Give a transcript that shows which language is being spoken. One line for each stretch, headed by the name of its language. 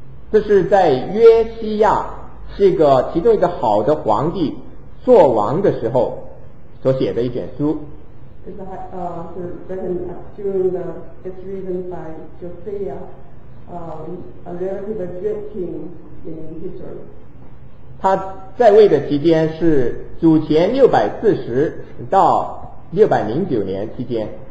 Chinese: 这是在约西亚是一个其中一个好的皇帝做王的时候所写的一卷书。
English: 是 written during the it's written by Josiah, a relative good king in history.
Chinese: 他在位的期间是主前640到609年期间。